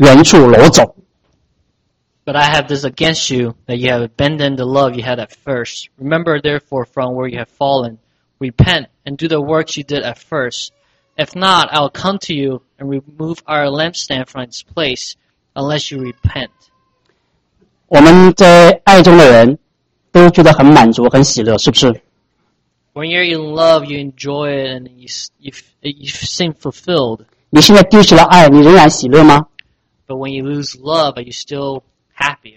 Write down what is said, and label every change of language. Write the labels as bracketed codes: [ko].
[zh] 所以应当照你从哪里堕落，应当回想你从哪里堕落的，你要悔改，行起初所行的事。你如果悔改，我就临到你那里，把你的灯台从原处挪走。 [en] But I have this against you that you have abandoned the love you had at first. Remember, therefore, from where you have fallen, repent and do the works you did at first. If not, I will come to you and remove our lampstand from its place unless you repent. [zh] 我们在爱中的人。都觉得很满足，很喜乐，是不是？ [en] When you're in love, you enjoy it and you seem fulfilled. [zh] 你现在丢失了爱，你仍然喜乐吗？ [en] But when you lose love, are you still happy?